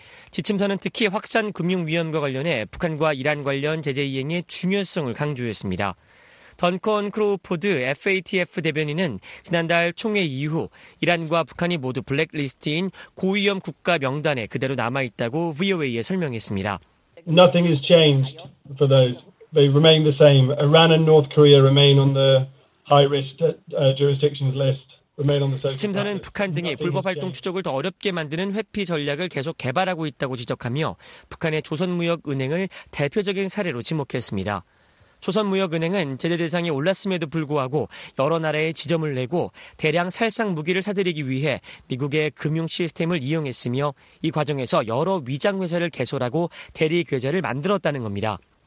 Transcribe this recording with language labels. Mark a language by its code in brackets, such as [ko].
[ko] 지침서는 특히 확산 금융 위험과 관련해 북한과 이란 관련 제재 이행의 중요성을 강조했습니다. 던컨 크로우포드 FATF 대변인은 지난달 총회 이후 이란과 북한이 모두 블랙리스트인 고위험 국가 명단에 그대로 남아 있다고 VOA에 설명했습니다. [en] Nothing has changed for those. They remain the same. Iran and North Korea remain on the high-risk jurisdictions list. [ko] 지침서는 북한 등이 불법활동 추적을 더 어렵게 만드는 회피 전략을 계속 개발하고 있다고 지적하며 북한의 조선무역은행을 대표적인 사례로 지목했습니다. 조선무역은행은 제재 대상이 올랐음에도 불구하고 여러 나라에 지점을 내고 대량 살상 무기를 사들이기 위해 미국의 금융 시스템을 이용했으며 이 과정에서 여러 위장회사를 개설하고 대리계좌를 만들었다는 겁니다.